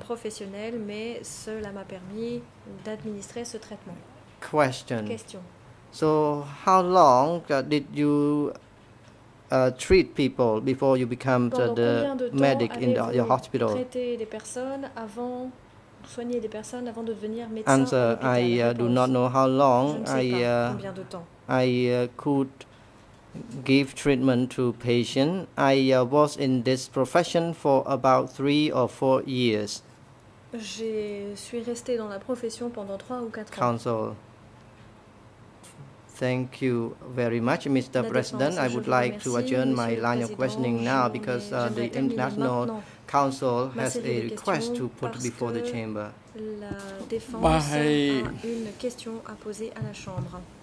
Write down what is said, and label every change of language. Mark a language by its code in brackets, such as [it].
[fr] Professionnelle, mais cela m'a permis d'administrer ce traitement. Question. [en] So how long did you treat people before you become the medic in your hospital? [fr] Pendant combien de temps avez-vous traité des personnes avant soigner des personnes avant de devenir médecin? [en] Answer, I do not know how long I could give treatment to patients. I was in this profession for about 3 or 4 years. [fr] Je suis resté dans la profession pendant 3 ou 4 ans. [en] Counsel, thank you very much, Mr. President. I would like to adjourn my line of questioning now because the international council has a request to put before the chamber. [fr] La défense a une question à poser à la chambre.